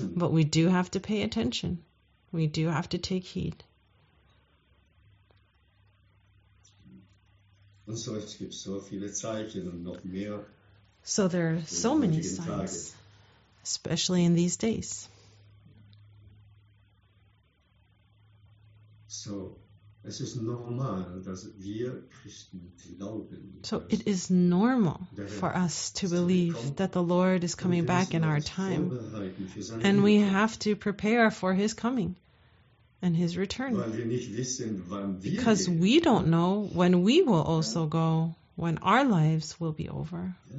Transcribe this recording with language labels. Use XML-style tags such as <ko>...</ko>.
<en>But we do have to pay attention. We do have to take heed. So there are so many signs, especially in these days.</en> <de>So es ist normal, dass wir Christen glauben,</de> <en>so it is normal for us to believe that the Lord is coming back in our time, and we have to prepare for his coming and his return,</en> <de>weil wir nicht wissen, wann wir</de> <en>because</en> <de>gehen.</de> <en>We don't know when we will also go, when our lives will be over.</en>